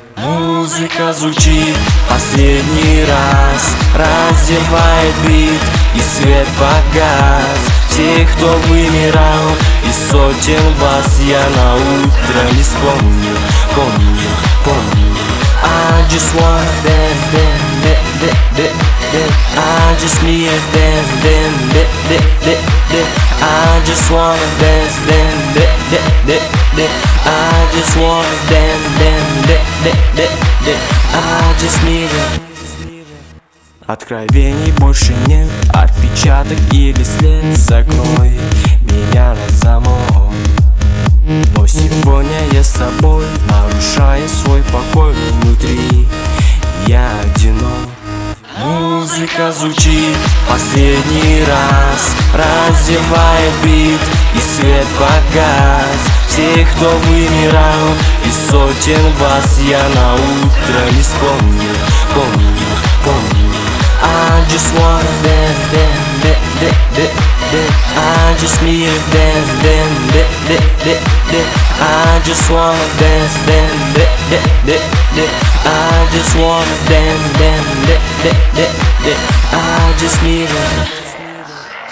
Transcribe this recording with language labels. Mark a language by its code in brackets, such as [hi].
[ru] Музыка звучит последний раз, раздевает бит, и свет погас. Тех, кто вымирал, и сотен вас я на утро не вспомню, помню, помню. [en] I just want to dance, dance, dance, dance. I just need a dance, dance, dance, dance, dance. I just want to dance, dance, dance, dance, dance. I just want to dance, dance, dance, dance, dance. I just need a. [ru] Откровений больше нет, отпечаток или след. Закрой меня на замок. Но сегодня я с тобой, нарушая свой покой. Внутри я одинок. Музыка звучит последний раз, раздевает бит, и свет погас. Тех, кто вымирал, и сотен вас я на утро не вспомню, помню, помню. [en] I just wanna dance, dance, dance, dance, dance, dance. I just need a dance, dance, dance, dance, dance, dance. I just wanna dance, dance, dance, dance, dance, dance. I just wanna dance, dance, dance, dance, dance, dance. I just need a.